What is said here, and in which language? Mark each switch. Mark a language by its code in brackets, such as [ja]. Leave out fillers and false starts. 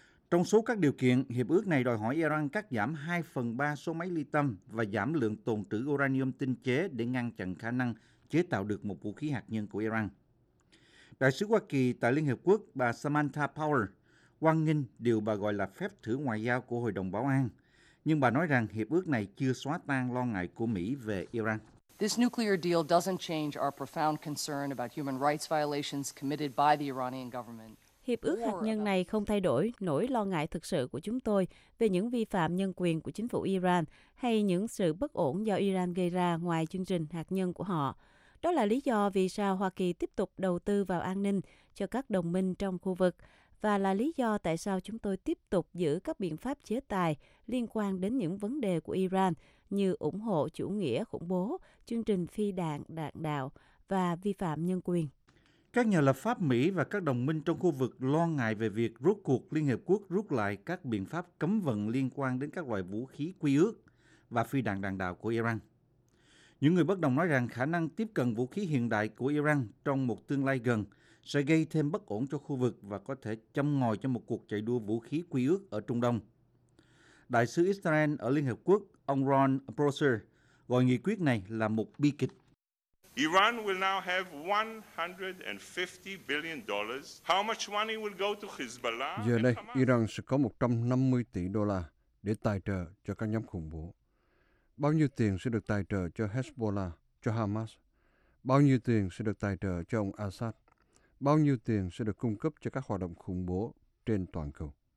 [vi] Trong số các điều kiện, hiệp ước này đòi hỏi Iran cắt giảm 2/3 số máy ly tâm và giảm lượng tồn trữ uranium tinh chế để ngăn chặn khả năng chế tạo được một vũ khí hạt nhân của Iran. Đại sứ Hoa Kỳ tại Liên Hiệp Quốc bà Samantha Power hoan nghênh điều bà gọi là phép thử ngoại giao của Hội đồng Bảo an, nhưng bà nói rằng hiệp ước này chưa xóa tan lo ngại của Mỹ về Iran. [en] This nuclear deal doesn't change our profound concern about human rights violations committed by the Iranian government. [vi] Hiệp ước hạt nhân này không thay đổi nỗi lo ngại thực sự của chúng tôi về những vi phạm nhân quyền của chính phủ Iran hay những sự bất ổn do Iran gây ra ngoài chương trình hạt nhân của họ. Đó là lý do vì sao Hoa Kỳ tiếp tục đầu tư vào an ninh cho các đồng minh trong khu vực và là lý do tại sao chúng tôi tiếp tục giữ các biện pháp chế tài liên quan đến những vấn đề của Iran như ủng hộ chủ nghĩa khủng bố, chương trình phi đạn đạn đạo và vi phạm nhân quyền. Các nhà lập pháp Mỹ và các đồng minh trong khu vực lo ngại về việc rốt cuộc Liên Hiệp Quốc rút lại các biện pháp cấm vận liên quan đến các loại vũ khí quy ước và phi đạn đạn đạo của Iran. Những người bất đồng nói rằng khả năng tiếp cận vũ khí hiện đại của Iran trong một tương lai gần sẽ gây thêm bất ổn cho khu vực và có thể châm ngòi cho một cuộc chạy đua vũ khí quy ước ở Trung Đông. Đại sứ Israel ở Liên Hiệp Quốc, ông Ron Prosser, gọi nghị quyết này là một bi kịch. [en] Iran will now have $150 billion. How much money will go to Hezbollah? [vi] Giờ đây, Iran sẽ có 150 tỷ đô la để tài trợ cho các nhóm khủng bố. Bao nhiêu tiền sẽ được tài trợ cho Hezbollah, cho Hamas? Bao nhiêu tiền sẽ được tài trợ cho ông Assad? Bao nhiêu tiền sẽ được cung cấp cho các hoạt động khủng bố trên toàn cầu?